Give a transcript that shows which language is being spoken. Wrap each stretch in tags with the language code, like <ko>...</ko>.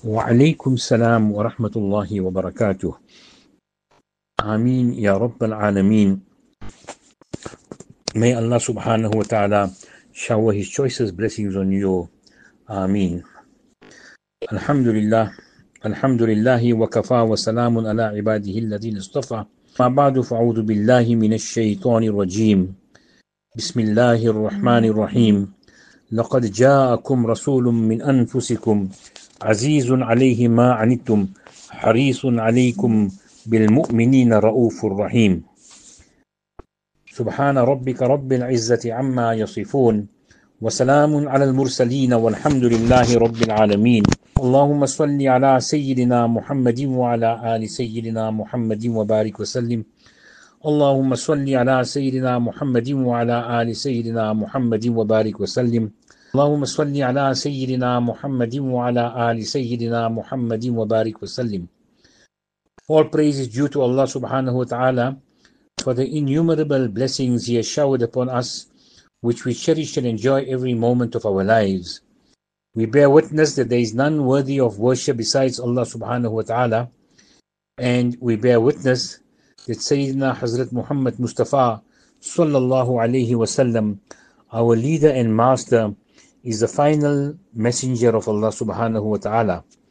<ar>وعليكم السلام ورحمة الله وبركاته. آمين يا رب العالمين.</ar> <en>May Allah subhanahu wa ta'ala shower His choicest blessings on you.</en> <ar>آمين. الحمد لله الحمد لله وكفى وسلام على عباده الذين اصطفى. ما بعد فأعوذ بالله من الشيطان الرجيم. بسم الله الرحمن الرحيم. لقد جاءكم رسول من أنفسكم عزيز عليه ما عنتم حريص عليكم بالمؤمنين رؤوف رحيم. سبحان ربك رب العزة عما يصفون وسلام على المرسلين والحمد لله رب العالمين. اللهم صل على سيدنا محمد وعلى آل سيدنا محمد وبارك وسلم. اللهم صل على سيدنا محمد وعلى آل سيدنا محمد وبارك وسلم. اللهم صل على سيدنا محمد وعلى آل سيدنا محمد وبارك وسلم.</ar> <en>All praise is due to Allah subhanahu wa ta'ala for the innumerable blessings He has showered upon us, which we cherish and enjoy every moment of our lives. We bear witness that there is none worthy of worship besides Allah subhanahu wa ta'ala, and we bear witness that Sayyidina Hazrat Muhammad Mustafa sallallahu alayhi wa sallam, our leader and master, is the final messenger of Allah subhanahu wa ta'ala.</en>